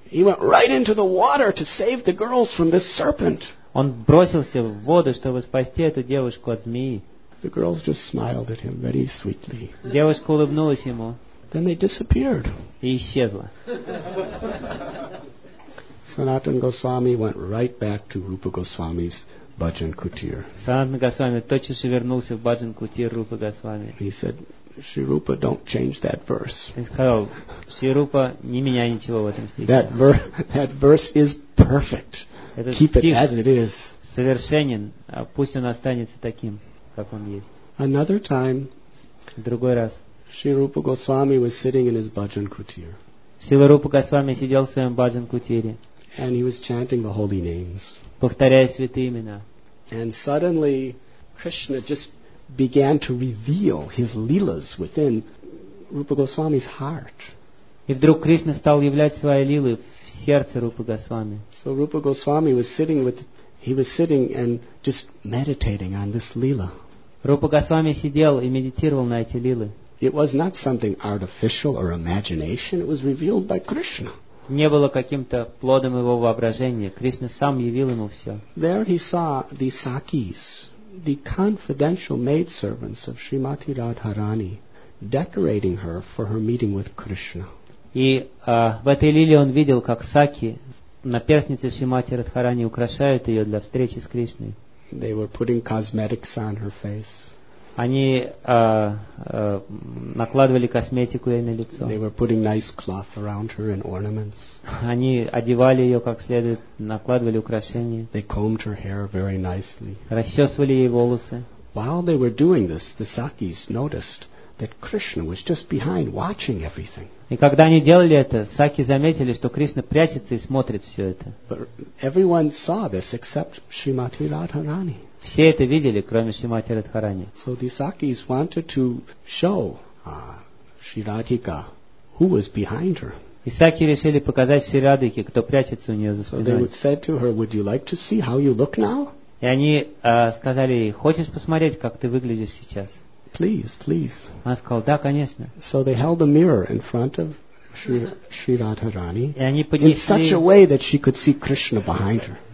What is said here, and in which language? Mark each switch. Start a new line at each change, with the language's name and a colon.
English: He went right into the water to save the girls from this serpent.
Russian: Он бросился в воду, чтобы спасти эту девушку от змеи.
English: The girls just smiled at him very sweetly.
Russian: Девушка улыбнулась ему.
English: Then they disappeared.
Russian: И исчезла.
English: Sanatan Goswami went right back to Rupa Goswami's Bhajan Kutir.
Russian: Sanatan Goswami тотчас же вернулся в Bhajan Kutir Rupa Goswami.
English: He said, Shri Rupa, don't change that verse.
Russian: Он сказал, Shri Rupa, не меняй ничего в этом стихе.
English: That verse is perfect.
Russian: Этот
English: Keep it as it is.
Russian: Совершенен, а пусть он останется таким, как он есть.
English: Another time,
Russian: в другой раз,
English: Shri Rupa Goswami was sitting in his Bhajan Kutir.
Russian: Shri Rupa Goswami сидел в своем Bhajan Kutir.
English: And he was chanting the holy names.
Russian: Повторяя святые имена.
English: And suddenly, Krishna just began to reveal his lilas within Rupa Goswami's heart.
Russian: И вдруг Кришна стал являть свои лилы в сердце Рупы Госвами.
English: So Rupa Goswami was sitting with, he was sitting and just meditating on this lila.
Russian: Рупа Госвами сидел и медитировал на эти лилы.
English: It was not something artificial or imagination. It was revealed by Krishna.
Russian: Не было каким-то плодом его воображения. Кришна сам явил ему все.
English: There he saw the sakis, the confidential maidservants of Srimati Radharani, decorating her for her meeting with Krishna.
Russian: И в этой лиле он видел, как саки на перстнице Шримати Радхарани украшают ее для встречи с Кришной.
English: They were putting cosmetics on her face.
Russian: Они накладывали косметику ей на лицо.
English: They were putting nice cloth around her and ornaments.
Russian: Они одевали ее как следует, накладывали украшения.
English: They combed her hair very nicely.
Russian: Расчесывали ей волосы.
English: While they were doing this, the sakis noticed that Krishna was just behind, watching everything.
Russian: И когда они делали это, саки заметили, что Кришна прячется и смотрит все это.
English: But everyone saw this except Srimati Radharani.
Russian: Все это видели, кроме Шримати Радхарани.
English: So the sakis wanted to show Shri Radhika who was behind her.
Russian: И саки решили показать Шри Радхике, кто прячется у нее за спиной.
English: So they said to her, "Would you like to see how you look now?"
Russian: И они сказали ей, "Хочешь посмотреть, как ты выглядишь сейчас?"
English: Please, please.
Russian: Она сказала, да, конечно.
English: So they held a mirror in front of Shri Radharani
Russian: поднесли,
English: in such a way that she could see Krishna behind her.